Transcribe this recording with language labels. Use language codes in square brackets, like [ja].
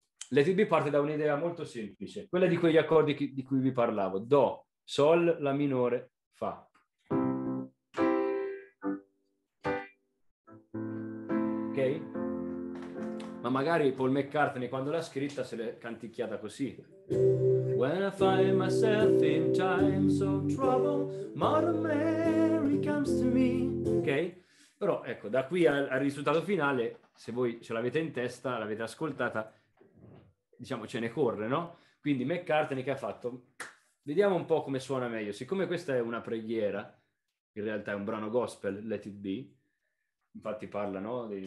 [it] Let It Be parte da un'idea molto semplice, quella di quegli accordi di cui vi parlavo: Do, Sol, La minore, Fa. Ma magari Paul McCartney, quando l'ha scritta, se l'è canticchiata così. [en] When I find myself in times of trouble, Mother Mary comes to me. Ok? [it] Però ecco, da qui al risultato finale, se voi ce l'avete in testa, l'avete ascoltata, diciamo ce ne corre, no? Quindi McCartney che ha fatto? Vediamo un po' come suona meglio. Siccome questa è una preghiera, in realtà è un brano gospel, Let It Be. Infatti parla, no?